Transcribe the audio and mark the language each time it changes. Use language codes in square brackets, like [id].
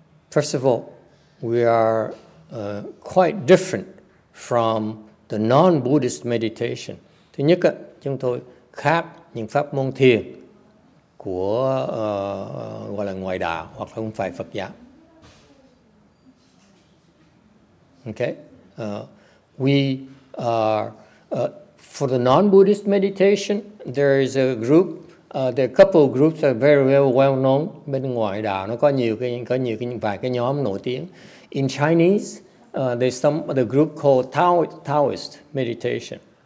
[en] First of all, we are quite different from the non-Buddhist meditation. [vi] Thứ nhất, chúng tôi khác những pháp môn thiền của gọi là ngoại đạo hoặc không phải Phật giáo. Okay. [en] We are, for the non-Buddhist meditation, there is a group, the couple groups are very, very well known. [vi] Bên ngoài đạo nó có nhiều cái nhóm nổi tiếng. [en] In Chinese, there's some the group called Taoist meditation.